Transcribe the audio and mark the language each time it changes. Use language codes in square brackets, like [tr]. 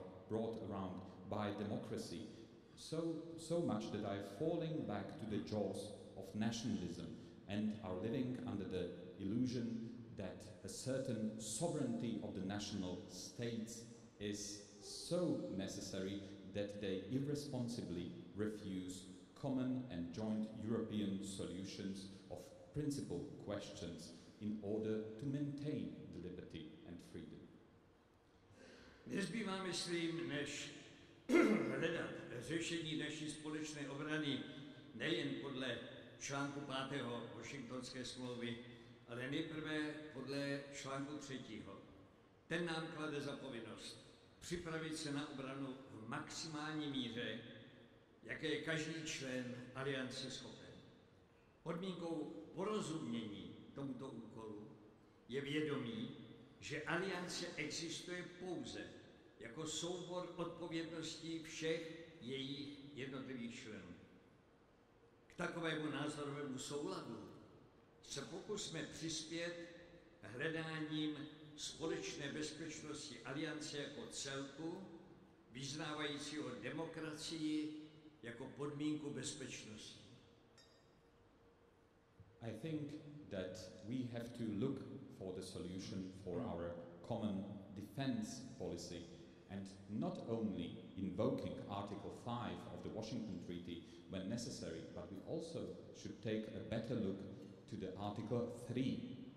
[en] around by democracy, so much that I am falling back to the jaws of nationalism and are living under the illusion that a certain sovereignty of the national states is so necessary that they irresponsibly refuse common and joint European solutions of principal questions in order to maintain the liberty and freedom. [cs] Nezbývá, myslím, než hledat řešení naší společné obrany nejen podle článku 5. Washingtonské smlouvy, ale nejprve podle článku 3. Ten nám klade za povinnost připravit se na obranu v maximální míře, jaké je každý člen aliance schopen. Podmínkou porozumění tomuto úkolu je vědomí, že aliance existuje pouze jako soubor odpovědností všech jejich jednotlivých členů. K takovému názorovému souladu se pokusme přispět hledáním společné bezpečnosti aliance jako celku, vyznávajícího demokracii jako podmínku bezpečnosti. [en] I think that we have to look for the solution for our common defense policy, and not only invoking Article 5 of the Washington Treaty when necessary, but we also should take a better look to the Article 3.